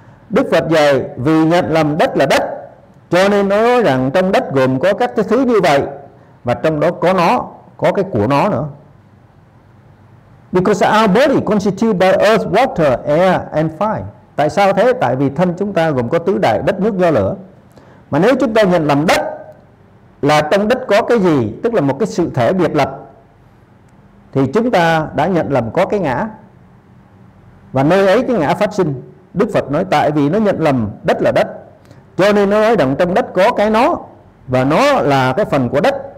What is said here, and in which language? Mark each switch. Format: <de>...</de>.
<vi>Đức Phật dạy vì nhận lầm đất là đất, cho nên nó nói rằng trong đất gồm có các cái thứ như vậy, và trong đó có nó, có cái của nó nữa.</vi> <en>Because our body constituted by earth, water, air and fire.</en> <vi>Tại sao thế? Tại vì thân chúng ta gồm có tứ đại, đất, nước, do lửa. Mà nếu chúng ta nhận lầm đất là trong đất có cái gì, tức là một cái sự thể biệt lập, thì chúng ta đã nhận lầm có cái ngã. Và nơi ấy cái ngã phát sinh. Đức Phật nói tại vì nó nhận lầm đất là đất, cho nên nó nói rằng trong đất có cái nó, và nó là cái phần của đất.</vi>